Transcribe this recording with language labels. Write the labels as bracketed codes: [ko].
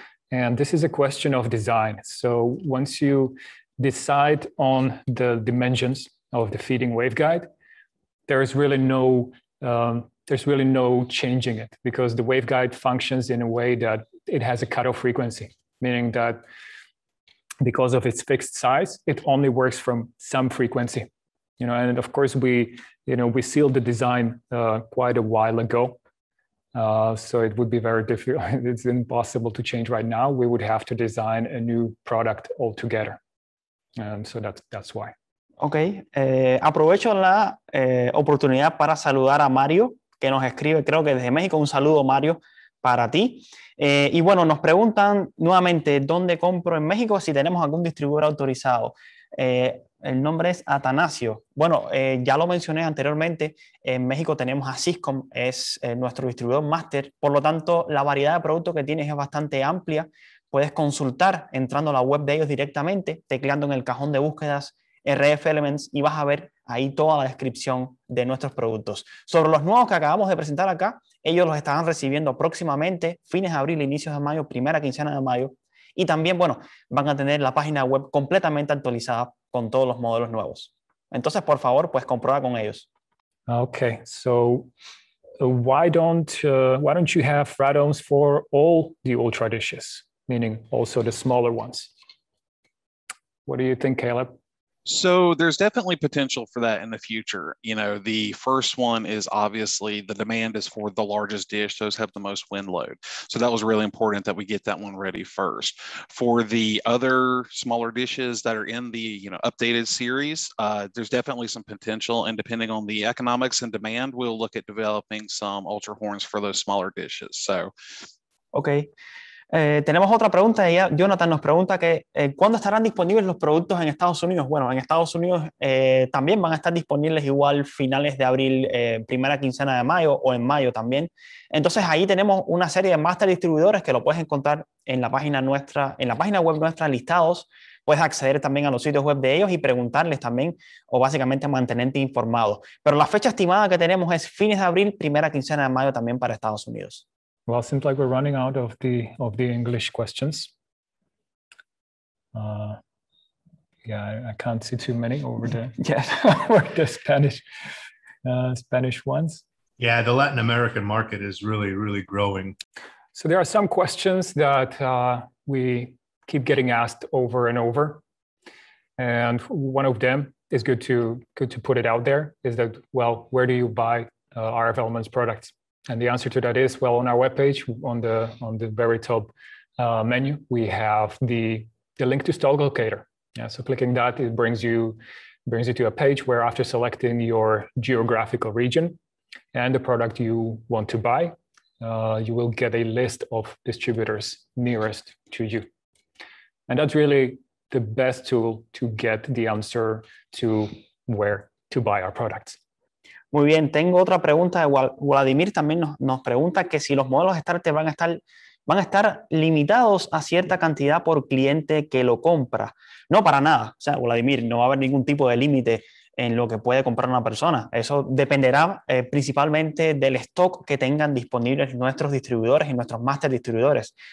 [en] And this is a question of design. So once you decide on the dimensions of the feeding waveguide, there is really no changing it because the waveguide functions in a way that it has a cutoff frequency, meaning that because of its fixed size, it only works from some frequency, you know. And of course, we sealed the design quite a while ago, so it would be very difficult. It's impossible to change right now. We would have to design a new product altogether, and so that's why. [es] Ok, aprovecho la oportunidad para saludar a Mario, que nos escribe, creo que desde México. Un saludo, Mario, para ti. Y bueno, nos preguntan nuevamente, ¿dónde compro en México si tenemos algún distribuidor autorizado? El nombre es Atanasio. Bueno, ya lo mencioné anteriormente, en México tenemos a Syscom, es nuestro distribuidor máster. Por lo tanto, la variedad de productos que tienes es bastante amplia. Puedes consultar entrando a la web de ellos directamente, tecleando en el cajón de búsquedas RF Elements y vas a ver ahí toda la descripción de nuestros productos. Sobre los nuevos que acabamos de presentar acá, ellos los estarán recibiendo próximamente, fines de abril, inicios de mayo, primera quincena de mayo. Y también, bueno, van a tener la página web completamente actualizada con todos los modelos nuevos. Entonces, por favor, pues comprueba con ellos. [en] Okay, so why don't you have Radomes for all the ultra dishes, meaning also the smaller ones? What do you think, Caleb? So there's definitely potential for that in the future. You know, the first one is obviously the demand is for the largest dish. Those have the most wind load. So that was really important that we get that one ready first. For the other smaller dishes that are in the, you know, updated series, there's definitely some potential. And depending on the economics and demand, we'll look at developing some ultra horns for those smaller dishes. So, okay. [es] Tenemos otra pregunta. Jonathan nos pregunta que ¿cuándo estarán disponibles los productos en Estados Unidos? Bueno, en Estados Unidos también van a estar disponibles igual finales de abril, primera quincena de mayo o en mayo también. Entonces ahí tenemos una serie de master distribuidores que lo puedes encontrar en la página nuestra, en la página web nuestra listados. Puedes acceder también a los sitios web de ellos y preguntarles también o básicamente mantenerte informado. Pero la fecha estimada que tenemos es fines de abril, primera quincena de mayo también para Estados Unidos. [en] Well, it seems like we're running out of the English questions. I can't see too many over there. Yes, over the Spanish ones. Yeah, the Latin American market is really, really growing. So there are some questions that we keep getting asked over and over, and one of them is good to put it out there is that, well, where do you buy RF Elements products? And the answer to that is, well, on our webpage, on the very top menu, we have the link to Stall Locator. Yeah, so clicking that, it brings you to a page where after selecting your geographical region and the product you want to buy, you will get a list of distributors nearest to you. And that's really the best tool to get the answer to where to buy our products. [es] Muy bien, tengo otra pregunta de Vladimir, también nos pregunta que si los modelos Starter van a estar limitados a cierta cantidad por cliente que lo compra. No, para nada. O sea, Vladimir, no va a haber ningún tipo de límite en lo que puede comprar una persona. Eso dependerá principalmente del stock que tengan disponibles nuestros distribuidores y nuestros master distribuidores.